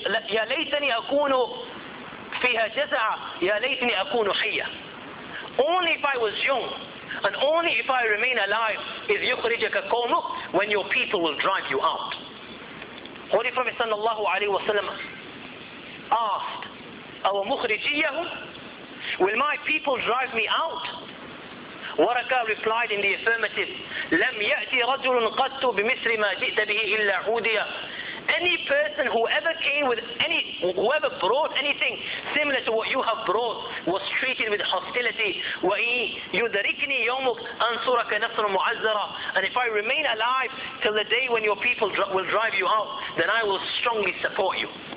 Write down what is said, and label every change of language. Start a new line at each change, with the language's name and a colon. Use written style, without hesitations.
Arabic: يا ليتني أكون فيها جزعة يا ليتني أكون حيا.
English: Only if I was young and only if I remain alive is
Arabic: يخرجك قومك,
English: when your people will drive you out. Holy Prophet sallallahu alayhi wa sallam asked,
Arabic: أَوَ مُخْرِجِيَّهُمْ.
English: Will my people drive me out? Waraqa replied in the affirmative,
Arabic: لَمْ يَأْتِ رَجُلٌ قَدْتُ بِمِثْرِ مَا جِئْتَ بِهِ إِلَّا عُودِيَا.
English: any person, whoever came with any, whoever brought anything similar to what you have brought, was treated with hostility.
Arabic: وَإِنْ يُدْرِكْنِي يَوْمُكْ أَنْصُرَكَ نَصْرٌ مُعَزَّرًا.
English: And if I remain alive till the day when your people will drive you out, then I will strongly support you.